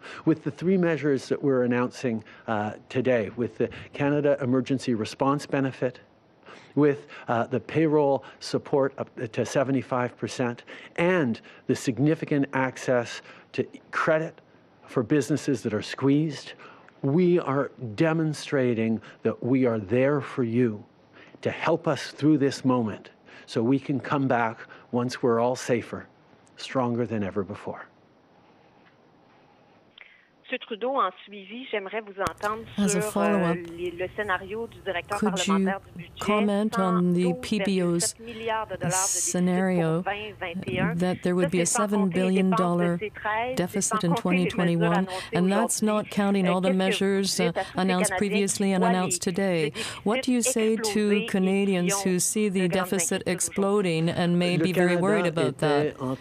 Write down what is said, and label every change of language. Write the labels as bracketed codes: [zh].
[en] With the three measures that we're announcing today, with the Canada Emergency Response Benefit, with the payroll support up to 75%, and the significant access to credit for businesses that are squeezed, we are demonstrating that we are there for you to help us through this moment so we can come back once we're all safer, stronger than ever before. [fr] Monsieur Trudeau, en suivi, j'aimerais vous entendre sur le scénario du directeur [en] could [fr] parlementaire du budget. [en] Comment on the PBO's scenario that there would be a $7 billion deficit in 2021, and that's not counting all the measures announced previously and announced today? What do you say to Canadians who see the deficit exploding and may be very worried about that?